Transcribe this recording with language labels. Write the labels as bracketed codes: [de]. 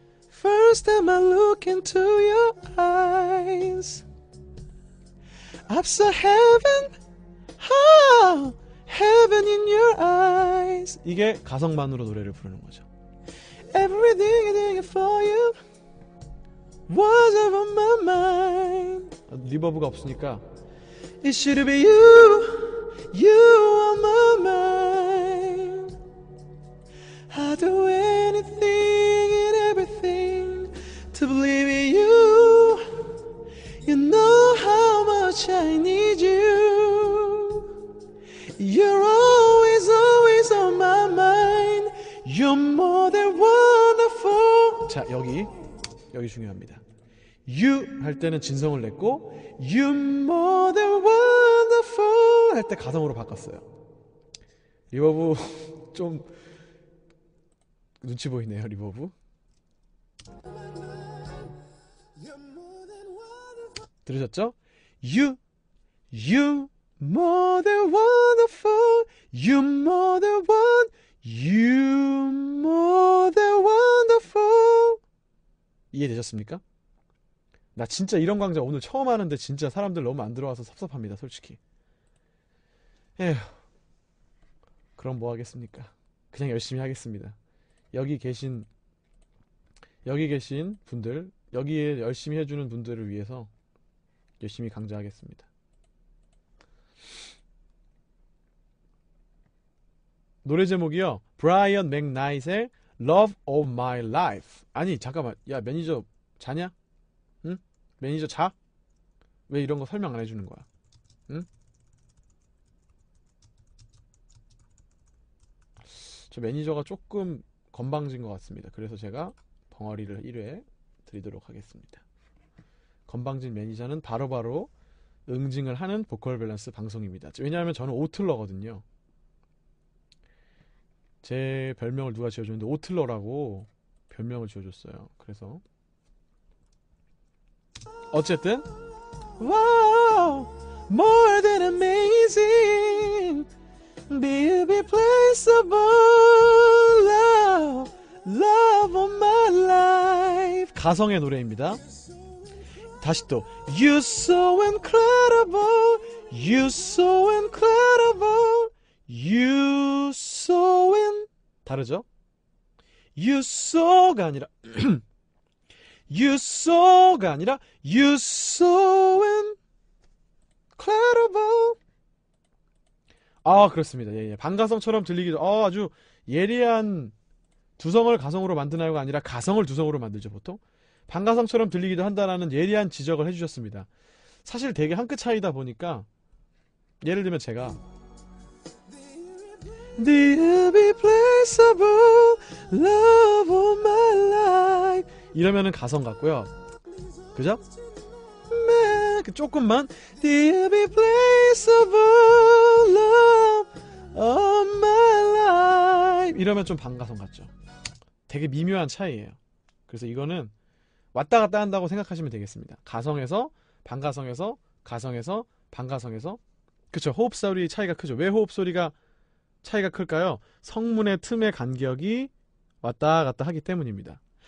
[en] First time I look into your eyes, I'm so heaven. Oh. Heaven in your eyes. [ko] 이게 가성만으로 노래를 부르는 거죠. [en] Everything I did for you was on my mind. [ko] 리버브가 없으니까. [en] It should be you, you on my mind. I'd do anything and everything to believe in you. You know how much I need you. You're always, always on my mind. You're more than wonderful. [ko] 자, 여기 중요합니다. You 할 때는 진성을 냈고, [en] You're more than wonderful [ko] 할때 가성으로 바꿨어요. 리버브 좀 눈치 보이네요, 리버브. 들으셨죠? [en] You More than wonderful, you more than one, you more than wonderful. [ko] 이해되셨습니까? 나 진짜 이런 강좌 오늘 처음 하는데 진짜 사람들 너무 안 들어와서 섭섭합니다, 솔직히. 에휴. 그럼 뭐 하겠습니까? 그냥 열심히 하겠습니다. 여기 계신 분들, 여기에 열심히 해주는 분들을 위해서 열심히 강좌하겠습니다. 노래 제목이요. 브라이언 맥나잇의 Love of My Life. 아니, 잠깐만. 야, 매니저 자냐? 응? 매니저 자? 왜 이런 거 설명 안 해주는 거야? 응? 저 매니저가 조금 건방진 것 같습니다. 그래서 제가 벙어리를 1회 드리도록 하겠습니다. 건방진 매니저는 바로바로 응징을 하는 보컬 밸런스 방송입니다. 왜냐하면 저는 오틀러거든요. 제 별명을 누가 지어줬는데 오틀러라고 별명을 지어줬어요. 그래서 어쨌든 와우 [en] More than amazing Baby place of all love Love of my life [ko] 가성의 노래입니다. 다시 또 [en] You're so incredible You're so incredible You're so in [ko] 다르죠? [en] You so가 아니라 You so가 아니라 You so incredible [ko] 아 그렇습니다 예예 예. 반가성처럼 들리기도 아주 예리한 두성을 가성으로 만드나요가 아니라 가성을 두성으로 만들죠 보통 반가성처럼 들리기도 한다라는 예리한 지적을 해주셨습니다 사실 되게 한끗 차이다 보니까 예를 들면 제가 [en] The irreplaceable love of my life [ko] 이러면은 가성 같고요 그죠? 조금만 [en] The irreplaceable love of my life [ko] 이러면 좀 반가성 같죠? 되게 미묘한 차이예요 그래서 이거는 왔다 갔다 한다고 생각하시면 되겠습니다 가성에서 반가성에서 가성에서 반가성에서 그쵸 호흡 소리 차이가 크죠 왜 호흡 소리가 차이가 클까요? 성문의 틈의 간격이 왔다 갔다 하기 때문입니다.